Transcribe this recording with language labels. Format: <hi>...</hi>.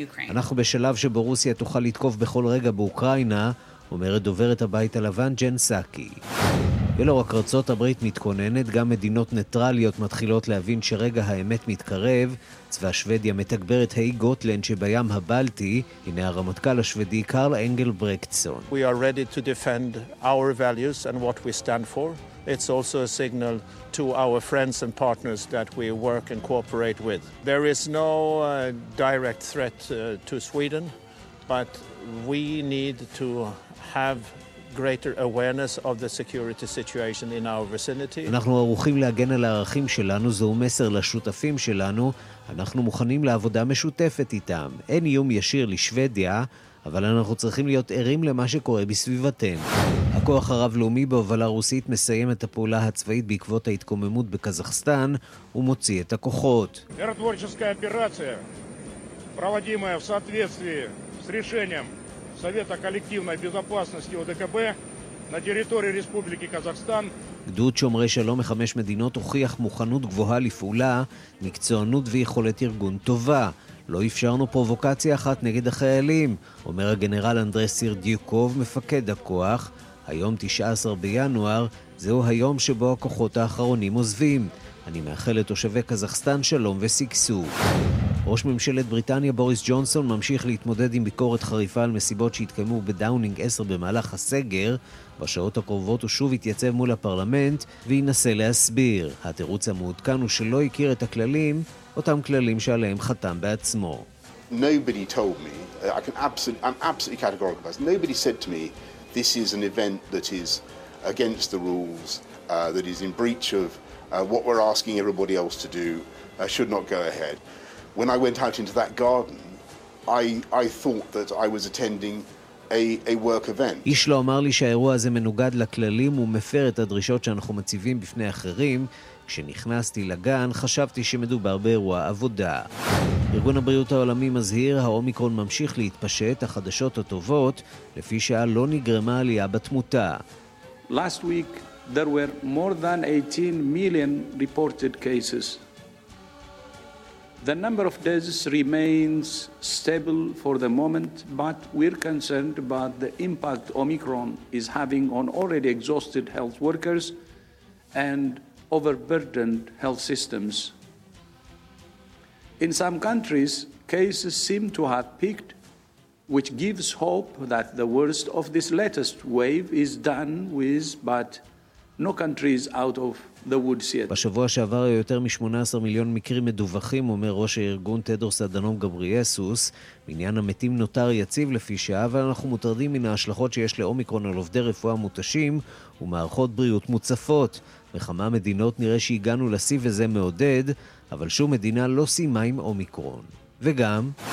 <he>אנחנו בשלב שבו רוסיה תוכל לתקוף בכל רגע באוקראינה, אומרת דוברת הבית הלבן ג'ן סאקי. ולא רק ארצות הברית מתכוננת, גם מדינות ניטרליות מתחילות להבין שרגע האמת מתקרב. צבא שוודיה מתגבר את האי גוטלנד שבים הבלטי. הנה הרמטכ"ל השוודי קארל אנגל ברקטסון.</he> <en>We are ready to defend our values and what we stand for. It's also a signal to our friends and partners that we work and cooperate with. There is no direct threat to Sweden, but we need to have greater awareness of the security situation in our vicinity.</en> <he>אנחנו ערוכים להגן על הערכים שלנו, זהו מסר לשותפים שלנו, אנחנו מוכנים לעבודה משותפת איתם. אין איום ישיר לשוודיה, אבל אנחנו צריכים להיות ערים למה שקורה בסביבתנו. הכוח הרב-לאומי בהובלה רוסית מסיים את הפעולה הצבאית בעקבות ההתקוממות בקזחסטן ומוציא את הכוחות.</he> <ru>מיротворческая операция, проводимая в соответствии с решением Совета коллективной безопасности ОДКБ на территории Республики Казахстан.</ru> <he>גדוד שומרי שלום מחמש מדינות הוכיח מוכנות גבוהה לפעולה, מקצוענות ויכולת ארגון טובה. לא אפשרנו פרובוקציה אחת נגד החיילים, אומר הגנרל אנדרי סרדיוקוב, מפקד הכוח. היום 19 בינואר, זהו היום שבו הכוחות האחרונים עוזבים. אני מאחל לתושבי קזחסטן שלום וסגשוג. ראש ממשלת בריטניה בוריס ג'ונסון ממשיך להתמודד עם ביקורת חריפה על מסיבות שהתקיימו בדאונינג 10 במהלך הסגר. בשעות הקרובות הוא שוב יתייצב מול הפרלמנט וינסה להסביר. התירוץ המעודכן הוא שלא הכיר את הכללים, אותם כללים שעליהם חתם בעצמו.</he> <en>Nobody told me, I'm absolutely categorical about this. Nobody said to me, this is an event that is against the rules, that is in breach of what we're asking everybody else to do, should not go ahead. When I went out into that garden, I thought that I was attending a work event.</en> <he>איש לא אמר לי שהאירוע הזה מנוגד לכללים ומפר את הדרישות שאנחנו מציבים בפני אחרים. כשנכנסתי לגן, חשבתי שמדובר באירוע עבודה. ארגון הבריאות העולמי מזהיר, האומיקרון ממשיך להתפשט, החדשות הטובות, לפי שעה לא נגרמה עלייה בתמותה.</he> <en>Last week, there were more than 18 million reported cases. The number of deaths remains stable for the moment, but we're concerned about the impact Omicron is having on already exhausted health workers and overburdened health systems. In some countries, cases seem to have peaked, which gives hope that the worst of this latest wave is done with, but no country is out of the woods yet.</en> <he>בשבוע שעבר יותר מ-18 מיליון מקרים מדווחים, אומר ראש הארגון טדרוס אדנום גבריאסוס. מניין המתים נותר יציב לפי שעה, ואנחנו מוטרדים מן ההשלכות שיש לאומיקרון על עובדי רפואה מותשים ומערכות בריאות מוצפות. בכמה מדינות נראה שהגענו לסי וזה מעודד, אבל שום מדינה לא סיימה עם אומיקרון. וגם</he>